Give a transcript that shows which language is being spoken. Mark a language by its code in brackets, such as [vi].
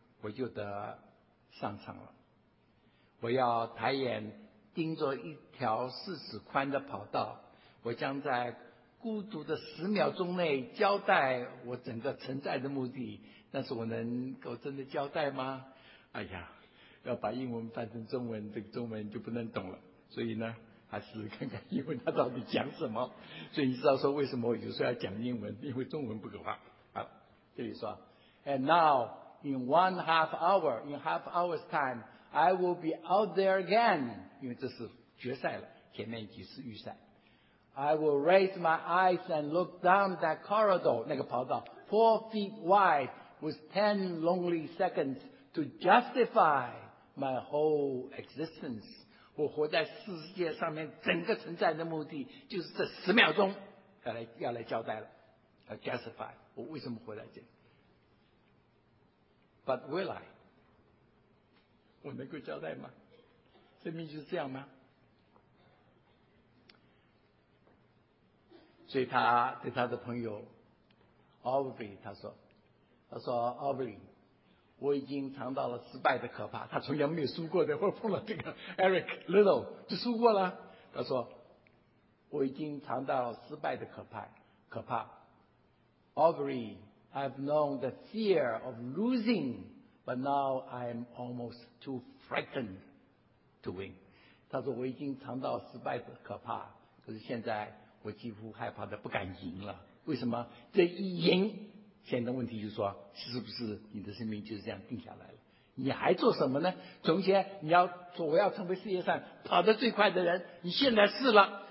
[zh] 我就得上场了。我要抬眼盯着一条40宽的跑道，我将在孤独的10秒钟内交代我整个存在的目的。但是我能够真的交代吗？哎呀，要把英文翻成中文，这个中文就不能懂了。所以呢，还是看看英文他到底讲什么。所以你知道说为什么我有时候要讲英文，因为中文不可怕。好，这里说 [en] And now in half hour's time I will be out there again， [zh] 因为这是决赛了，前面几次预赛。 [en] I will raise my eyes and look down that corridor， [zh] 那个跑道 [en] 4 feet wide with 10 lonely seconds to justify my whole existence。 [zh] 我活在世界上面整个存在的目的就是这十秒钟要来交代了，要 justify 我为什么活在这里。 [en] But will I？ [zh] 我能够交代吗？生命就是这样吗？所以他对他的朋友 Aubrey 他说 Aubrey， 我已经尝到了失败的可怕。他从来没有输过的，或碰了这个 Eric Little 就输过了。他说我已经尝到了失败的可怕。 [en] Aubrey， I've known the fear of losing， but now I'm almost too frightened to win。 [zh] 他说我已经尝到失败的可怕，可是现在我几乎害怕的不敢赢了。为什么？这一赢，现在的问题就是说，是不是你的生命就是这样定下来了？你还做什么呢？从前你要说我要成为世界上跑得最快的人，你现在是了。